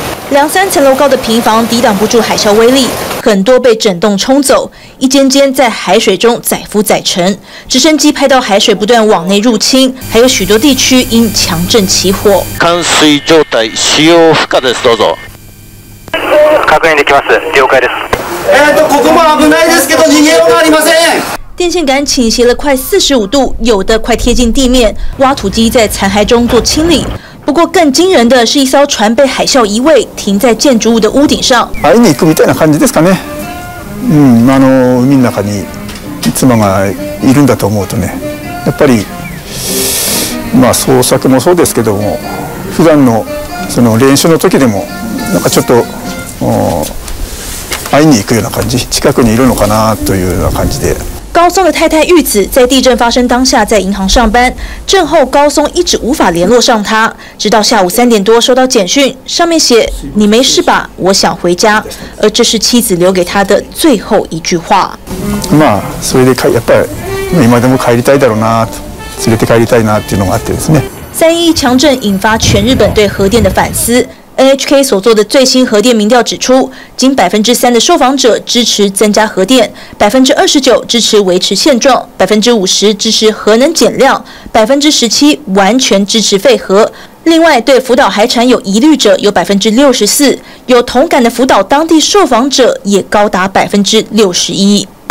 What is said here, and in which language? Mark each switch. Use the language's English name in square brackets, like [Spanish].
[Chinese] 两三层楼高的平房抵挡不住海啸威力，很多被整栋冲走，一间间在海水中载浮载沉，直升机拍到海水不断往内入侵，还有许多地区因强震起火。 [Japanese] 冠水状态使用不可です。どうぞ。確認できます。了解です。ここも危ないですけど逃げようがありません。 [Chinese] 电线杆倾斜了快45度，有的快贴近地面，挖土机在残骸中做清理。不过更惊人的是，一艘船被海啸移位，停在建筑物的屋顶上。 [Japanese] 会いに行くみたいな感じですかね。海の中に妻がいるんだと思うとね、やっぱり捜索もそうですけども、普段のその練習の時でもなんかちょっと会いに行くような感じ、近くにいるのかなというような感じで。 [Chinese] 高松的太太玉子在地震发生当下在银行上班，震后高松一直无法联络上她，直到下午3点多收到简讯，上面写你没事吧，我想回家，而这是妻子留给她的最后一句话。 [Japanese] それでやっぱり今でも帰りたいだろうなと、連れて帰りたいなっていうのがあってですね。 [Chinese] 311强震引发全日本对核电的反思。 NHK 所做的最新核电民调指出，仅3%的受访者支持增加核电，29%支持维持现状，50%支持核能减量，17%完全支持废核。另外，对福岛海产有疑虑者有64%，有同感的福岛当地受访者也高达61%。